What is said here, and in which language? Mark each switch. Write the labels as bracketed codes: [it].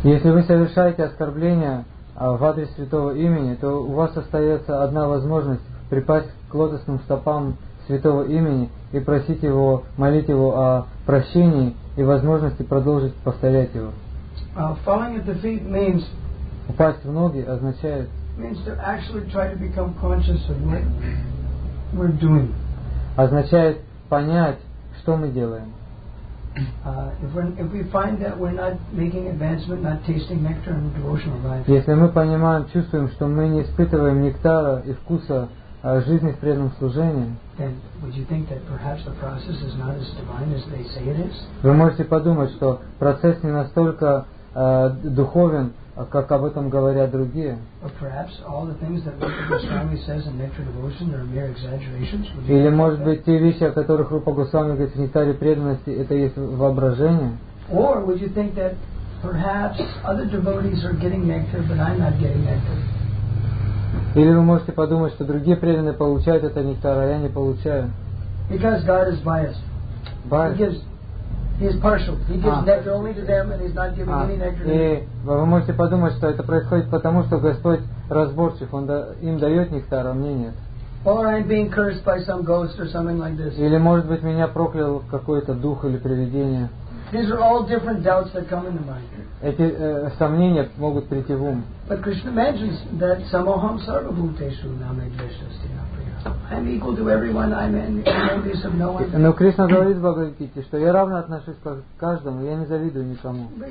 [ru] Если вы совершаете оскорбление в адрес святого имени, то у вас остается одна возможность припасть к лотосным стопам святого имени и просить его, молить его о прощении и возможности продолжить повторять его. [en] Falling at the feet means, [ru] упасть в ноги означает, [en] means to actually try to become conscious of what we're doing. [ru] Означает понять, что мы делаем. [en] If we find that we're not making advancement, not tasting nectar in the devotional life. [ru] Если мы понимаем, чувствуем, что мы не испытываем нектара и вкуса жизни в преданном служении, [en] then would you think that perhaps the process is not as divine as they say it is? [ru] Вы можете подумать, что процесс не настолько духовен, как об этом говорят другие. [en] Or perhaps all the things that Rupa Goswami says in Nectar Devotion are mere exaggerations. [ru] Или, может быть, те вещи, о которых Рупа Госвами говорит в Нектаре преданности, это есть воображение? [en] Or would you think that perhaps other devotees are getting nectar, but I'm not getting nectar? [ru] Или вы можете подумать, что другие преданные получают это нектар, а я не получаю? [en] Because God is biased. Biased. He's partial. He gives nectar only to them, and he's not giving any nectar to me. [ru] И вы можете подумать, что это происходит потому, что Господь разборчив, он им дает нектар, а мне нет. [en] Or I'm being cursed by some ghost or something like this. [ru] Или может быть меня проклял какой-то дух или привидение. [en] These are all different doubts that come into mind. [ru] Эти сомнения могут прийти в ум. [en] But Krishna mentions that [sa] samoham sarvabhuteshu namedveshastina. [en] I'm equal to everyone. I'm envious of no one. [ru] Но Кришна говорит в Бхагавад-гите, что я равно отношусь к каждому, я не завидую никому.